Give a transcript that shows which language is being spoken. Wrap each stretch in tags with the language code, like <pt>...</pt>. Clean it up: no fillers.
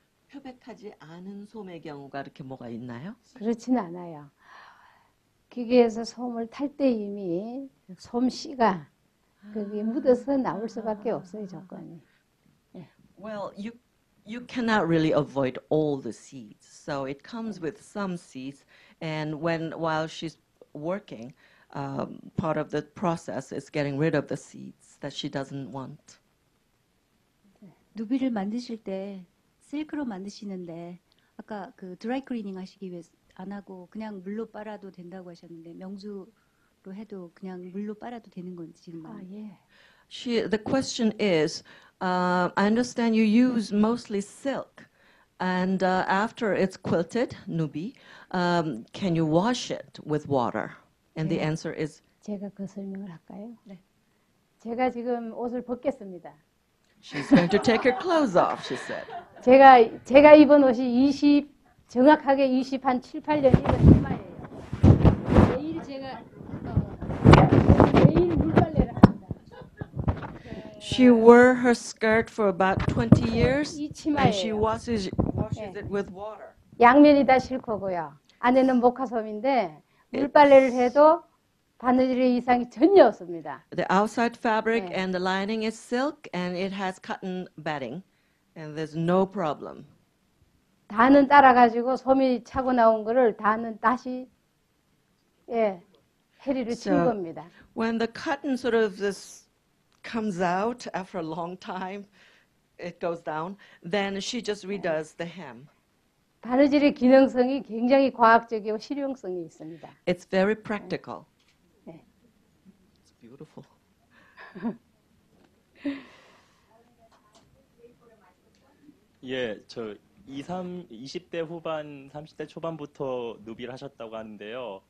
<ko>표백하지 않은 솜의 경우가 이렇게 뭐가 있나요? 그렇진 않아요. 기계에서 솜을 탈 때 이미 솜씨가 거기에 묻어서 나올 수밖에 없어요, 조건이.</ko> <en>Well, you cannot really avoid all the seeds. So it comes with some seeds. And while she's working, part of the process is getting rid of the seeds that she doesn't want.</en> <ko>누비를 만드실 때 실크로 만드시는데 아까 그 드라이 클리닝 하시기 위해 안 하고 그냥 물로 빨아도 된다고 하셨는데 명수로 해도 그냥 물로 빨아도 되는 건지 지금. 아, 예.</ko> <en>The question is, I understand you use mostly silk. And after it's quilted, Nubi, can you wash it with water? And the answer is</en> <ko>제가 그 설명을 할까요? 네. 제가 지금 옷을 벗겠습니다.</ko> <en>She's going to take her clothes off, she said.</en> <ko>제가 입은 옷이 20 정확하게 20 한 7, 8년 입은 치마예요. 매일 제가 매일 물빨래를 합니다.</ko> <en>She wore her skirt for about 20 years.</en> <ko>이 치마예요.</ko> <en>And she washes it with water.</en> <ko>양면이 다 실크고요. 안에는 모카솜인데 물빨래를 해도 바느질의 이상이 전혀 없습니다.</ko> <en>The outside fabric and the lining is silk and it has cotton batting and there's no problem.</en> <ko>단은 따라가지고 솜이 차고 나온 거를 단은 다시 해리를 친 겁니다.</ko> <en>When the cotton sort of this comes out after a long time, it goes down, then she just redoes the hem.</en> <ko>바느질의 기능성이 굉장히 과학적이고 실용성이 있습니다.</ko> <en>It's very practical.</en> <ko>네.</ko> <en>It's beautiful.</en> <ko>예, 저 20대 후반, 30대 초반부터 누비를 하셨다고 하는데요.</ko>